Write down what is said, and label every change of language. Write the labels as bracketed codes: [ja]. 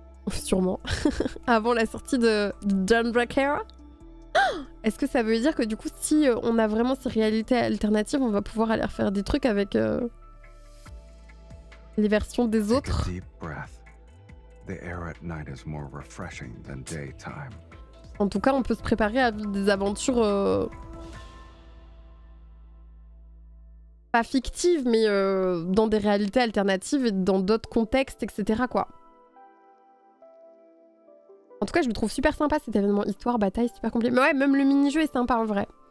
[fr] Sûrement. Avant la sortie de Dawnbreaker. Est-ce que ça veut dire que du coup, si on a vraiment ces réalités alternatives, on va pouvoir aller faire des trucs avec les versions des autres? [en] Take a deep breath. The air at night is more refreshing than daytime. [fr] En tout cas, on peut se préparer à des aventures pas fictives, mais dans des réalités alternatives et dans d'autres contextes, etc. quoi. En tout cas, je le trouve super sympa cet événement. Histoire, bataille, super compliqué. Mais ouais, même le mini-jeu est sympa en vrai.